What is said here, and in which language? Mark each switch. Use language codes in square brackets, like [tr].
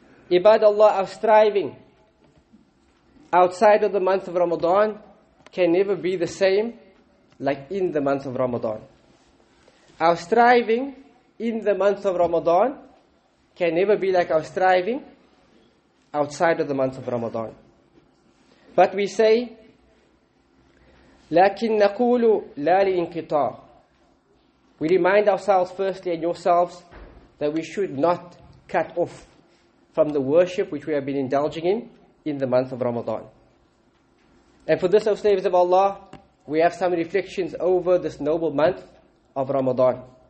[en] Ibadallah, our striving outside of the month of Ramadan can never be the same like in the month of Ramadan. Our striving in the month of Ramadan can never be like our striving outside of the month of Ramadan. But we say, [ar] لكن نقول لا لانقطاع. [en] We remind ourselves firstly and yourselves that we should not cut off from the worship which we have been indulging in the month of Ramadan. And for this, O slaves of Allah, we have some reflections over this noble month of Ramadan.